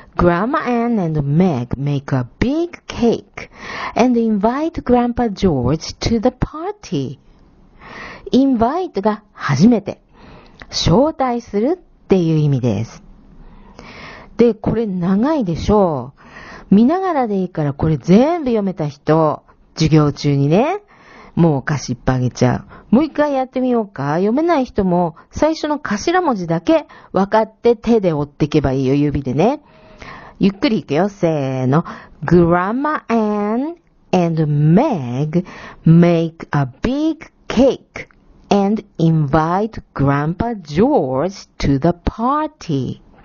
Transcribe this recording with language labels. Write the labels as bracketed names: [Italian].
[English] Grandma Ann and Meg make a big cake and invite Grandpa George to the party. [Japanese] Invite が初めて。招待するっていう意味です。で、これ長いでしょう。見ながらでいいからこれ全部読めた人、授業中にね。もうお菓子いっぱいあげちゃう。もう一回やってみようか。読めない人も最初の頭文字だけ分かって手で折っていけばいいよ、指でね。ゆっくりいくよ、せーの。 [English] Grandma Ann and Meg make a big cake and invite Grandpa George to the party.